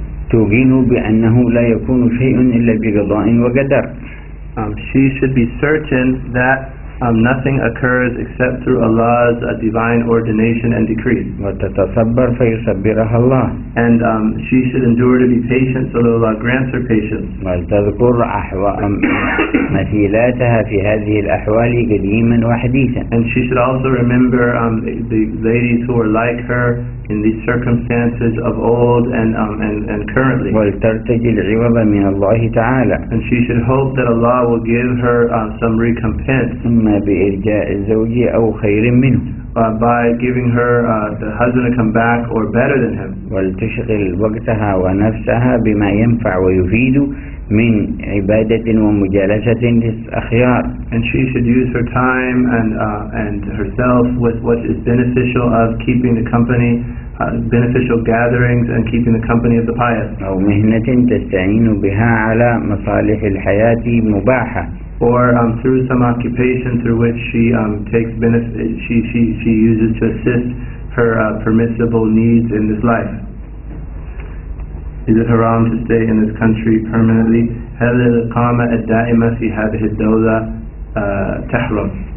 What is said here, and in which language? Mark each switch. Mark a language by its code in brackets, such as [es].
[ar] تغين بأنه لا يكون شيء إلا بقضاء وقدر. [en] She should be certain that nothing occurs except through Allah's divine ordination and decree. [ar] وتتصبر فيصبرها الله. [en] And she should endure to be patient so that Allah grants her patience. [ar] ولتذكر مثيلاتها في هذه الأحوال قديما وحديثا. [en] And she should also remember the ladies who are like her in these circumstances of old and currently. [ar] ولترتجي العوض من الله تعالى. [en] And she should hope that Allah will give her some recompense. [ar] إما بإرجاء الزوج أو خير منه. [en] By giving her the husband to come back or better than him. [ar] ولتشغل وقتها ونفسها بما ينفع ويفيد من عبادة ومجالسة للأخيار. [en] And she should use her time and herself with what is beneficial of keeping the company, beneficial gatherings and keeping the company of the pious. [ar] أو مهنة تستعين بها على مصالح الحياة مباحة. [en] Or through some occupation through which she takes benefit, she uses to assist her permissible needs in this life. Is it haram to stay in this country permanently? [ar] هل الإقامة الدائمة في هذه الدولة تحرم؟